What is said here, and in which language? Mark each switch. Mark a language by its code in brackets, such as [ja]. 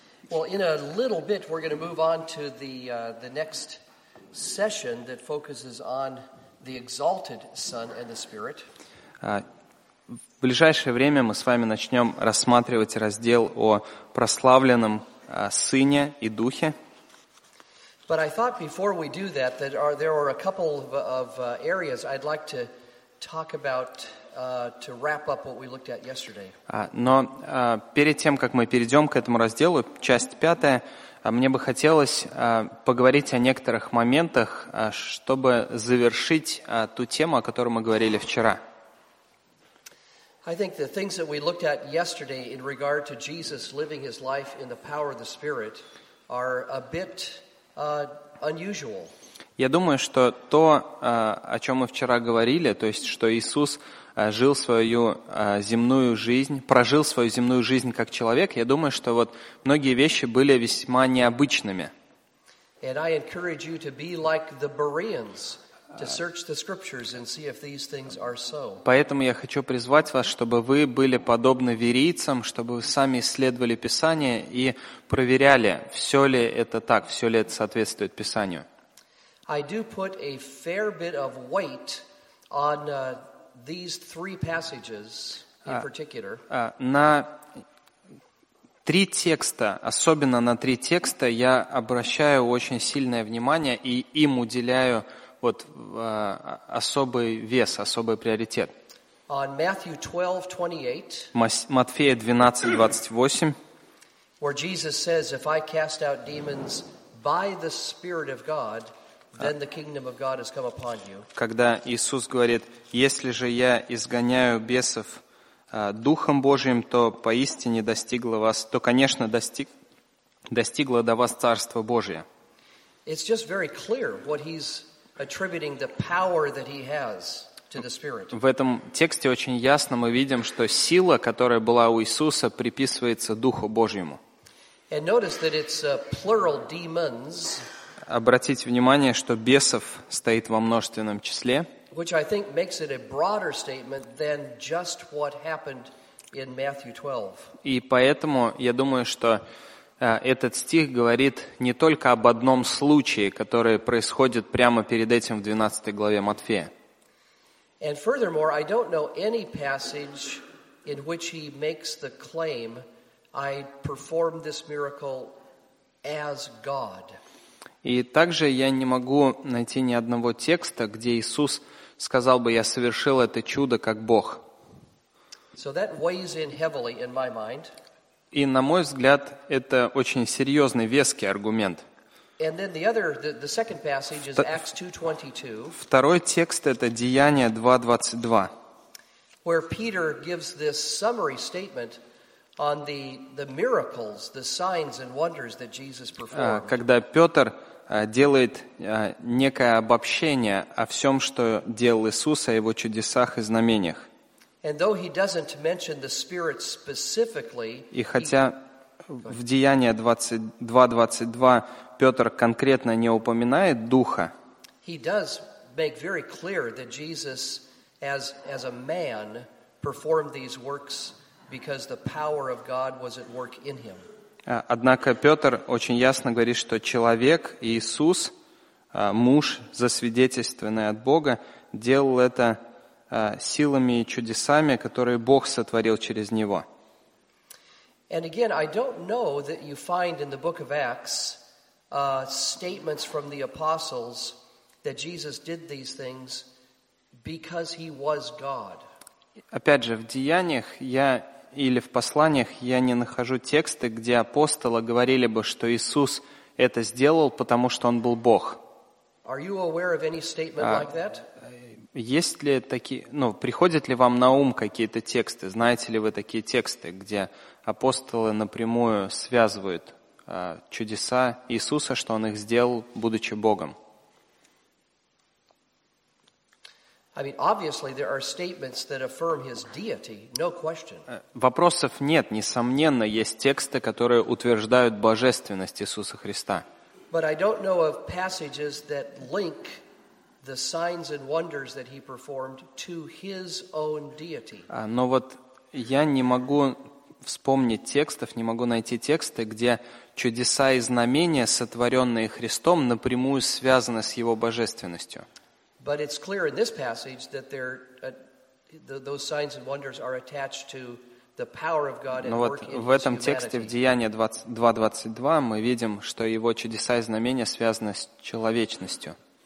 [en] Well, in a little bit, we're going to move on to the next session that focuses on the exalted Son and the Spirit. [ru] В ближайшее время мы с вами начнем рассматривать раздел о прославленном Сыне и Духе. [en] But I thought before we do that, that there are a couple of areas I'd like to talk about to wrap up what we looked at yesterday. [ru] Но перед тем, как мы перейдем к этому разделу, часть пятая, мне бы хотелось поговорить о некоторых моментах, чтобы завершить ту тему, о которой мы говорили вчера. [en] I think the things that we looked at yesterday in regard to Jesus living his life in the power of the Spirit are a bit unusual. [ru] Я думаю, что то, о чем мы вчера говорили, то есть, что Иисус жил свою земную жизнь, прожил свою земную жизнь как человек, я думаю, что вот многие вещи были весьма необычными. [en] And I encourage you to be like the Bereans, to search the scriptures and see if these things are so. [ru] Поэтому я хочу призвать вас, чтобы вы были подобны верийцам, чтобы вы сами исследовали Писание и проверяли, все ли это так, все ли это соответствует Писанию. [en] I do put a fair bit of weight on these three passages in particular. [ru] На три текста, особенно на три текста, я обращаю очень сильное внимание и им уделяю вот особый вес, особый приоритет. [en] On Matthew 12:28. [ru] Матфея 12:28. [en] Where Jesus says, "If I cast out demons by the Spirit of God, then the kingdom of God has come upon you." [ru] Когда Иисус говорит, если же я изгоняю бесов Духом Божиим, то поистине достигло вас, то, конечно, достигло до вас Царство Божие. [en] It's just very clear what he's attributing the power that he has to the Spirit. [ru] В этом тексте очень ясно мы видим, что сила, которая была у Иисуса, приписывается Духу Божьему. [en] And notice that it's plural demons. [ru] Обратите внимание, что бесов стоит во множественном числе. [en] Which I think makes it a broader statement than just what happened in Matthew 12. [ru] И поэтому я думаю, что этот стих говорит не только об одном случае, который происходит прямо перед этим в 12 главе Матфея. [en] And furthermore, I don't know any passage in which he makes the claim, "I perform this miracle as God." [ru] И также я не могу найти ни одного текста, где Иисус сказал бы, я совершил это чудо как Бог. [en] So that weighs in heavily in my mind. [ru] И, на мой взгляд, это очень серьезный, веский аргумент. [en] And then the second passage is Acts 2:22. [ru] Второй текст – это Деяния 2:22. [en] Where Peter gives this summary statement on the miracles, the signs and wonders that Jesus performed. [ru] Когда Петр делает некое обобщение о всем, что делал Иисус, о его чудесах и знамениях. [en] And though he doesn't mention the Spirit specifically, [ru] и хотя в Деянии 22:22 Петр конкретно не упоминает Духа, [en] he does make very clear that Jesus as a man performed these works because the power of God was at work in him. [ru] Однако Петр очень ясно говорит, что человек, Иисус, муж, засвидетельственный от Бога, делал это силами и чудесами, которые Бог сотворил через него. [en] And again, I don't know that you find in the book of Acts statements from the apostles that Jesus did these things because he was God. [ru] Опять же, в Деяниях я или в посланиях я не нахожу тексты, где апостолы говорили бы, что Иисус это сделал, потому что он был Бог. [en] Are you aware of any statement like that? [ru] Есть ли такие, ну, приходят ли вам на ум какие-то тексты? Знаете ли вы такие тексты, где апостолы напрямую связывают чудеса Иисуса, что он их сделал, будучи Богом? [en] I mean, obviously there are statements that affirm his deity, no question. [ru] Вопросов нет, несомненно, есть тексты, которые утверждают божественность Иисуса Христа. [en] But I don't know of passages that link the signs and wonders that he performed to his own deity. [ru] Но вот я не могу вспомнить текстов, не могу найти тексты, где чудеса и знамения, сотворенные Христом, напрямую связаны с Его божественностью. [en] But it's clear in this passage that those signs and wonders are attached to the power of God at work in humanity. [ru] Но вот в этом тексте, в Деянии 2:22, мы видим, что Его чудеса и знамения связаны с человечностью.